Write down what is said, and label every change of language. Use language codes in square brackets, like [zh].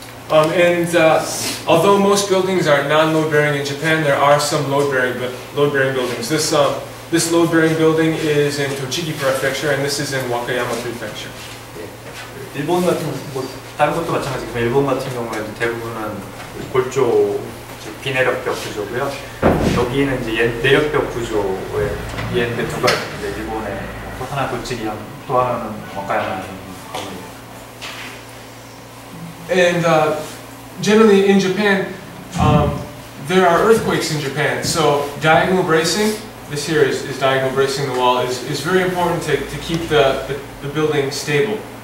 [en] And although most buildings are non-load bearing in Japan, there are some load bearing buildings. This load-bearing building is in Tochigi Prefecture, and this is in Wakayama Prefecture. [ko] 예, 일본 같은 뭐 다른 것도 마찬가지고 일본 같은 경우에도 대부분은 골조 즉 비내력벽 구조고요. 여기는 이제 내력벽 구조의 얘네 두 가지. 이제 일본의 또 하나 도치기현 또 하나는 와카야마 건물이에요. [en] And generally in Japan, there are earthquakes in Japan, so diagonal bracing. This here is diagonal bracing the wall. It's very important to keep the building stable.